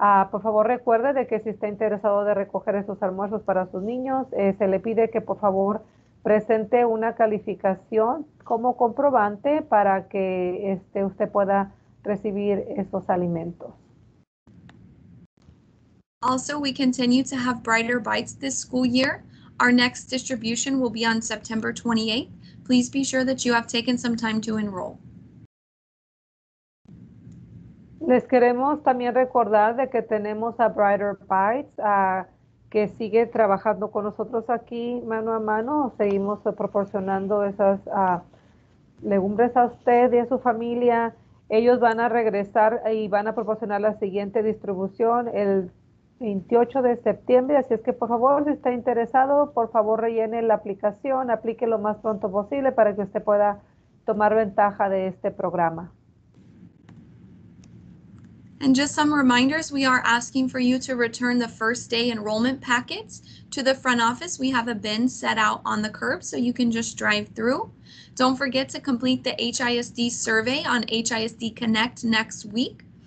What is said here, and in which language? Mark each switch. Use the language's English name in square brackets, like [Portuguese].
[Spanish] Por favor, recuerde de que si está interesado de recoger esos almuerzos para sus niños, se le pide que por favor presente una calificación como comprobante para que usted pueda recibir esos alimentos. [English] Also, we continue to have Brighter Bites this school year. Our next distribution will be on September 28th. Please be sure that you have taken some time to enroll. [Spanish] Les queremos también recordar de que tenemos a Brighter Bites que sigue trabajando con nosotros aquí mano a mano. Seguimos proporcionando esas legumbres a usted y a su familia. Ellos van a regresar y van a proporcionar la siguiente distribución el 28 de septiembre. Así es que, por favor, si está interesado, por favor, rellene la aplicación. Aplique lo más pronto posible para que usted pueda tomar ventaja de este programa. [English] And just some reminders, we are asking for you to return the first day enrollment packets to the front office. We have a bin set out on the curb so you can just drive through. Don't forget to complete the HISD survey on HISD Connect next week.